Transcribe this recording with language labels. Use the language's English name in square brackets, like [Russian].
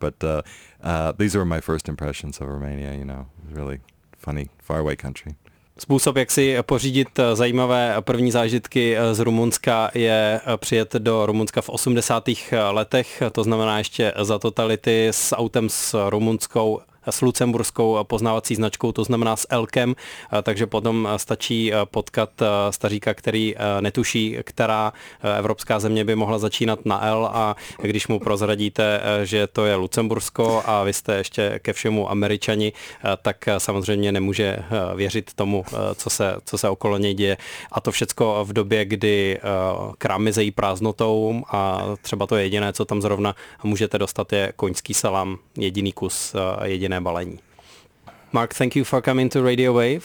[English] But these were my first impressions of Romania. You know, really funny, faraway country. [Czech] Způsob, jak si pořídit zajímavé první zážitky z Rumunska, je přijet do Rumunska v 80. letech, to znamená ještě za totality, s autem s rumunskou, s lucemburskou poznávací značkou, to znamená s Elkem, takže potom stačí potkat staříka, který netuší, která evropská země by mohla začínat na L, a když mu prozradíte, že to je Lucembursko a vy jste ještě ke všemu Američani, tak samozřejmě nemůže věřit tomu, co se okolo něj děje. A to všecko v době, kdy krámy zejí prázdnotou a třeba to jediné, co tam zrovna můžete dostat, je koňský salám, jediný kus, jediné balení. [English] Mark, thank you for coming to Radio Wave.